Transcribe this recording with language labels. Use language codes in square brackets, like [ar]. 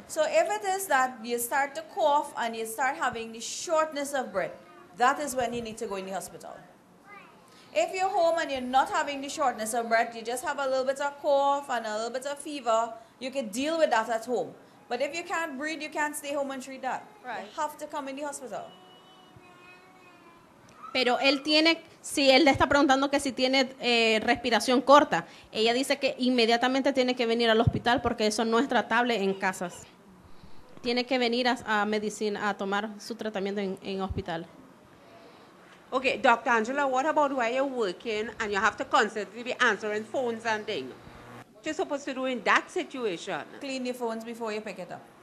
[en] So if it is that you start to cough and you start having the shortness of breath, that is when you need to go in the hospital. If you're home and you're not having the shortness of breath, you just have a little bit of cough and a little bit of fever, you can deal with that at home. But if you can't breathe, you can't stay home and treat that. Right. You have to come in the hospital. [es] Pero él tiene, si él le está preguntando que si tiene respiración corta, ella dice que inmediatamente tiene que venir al hospital porque eso no es tratable en casas. Tiene que venir a medicina, a tomar su tratamiento en hospital. [en] Okay, Dr. Angela, what about where you're working and you have to constantly be answering phones and things? What you're supposed to do in that situation? Clean your phones before you pick it up.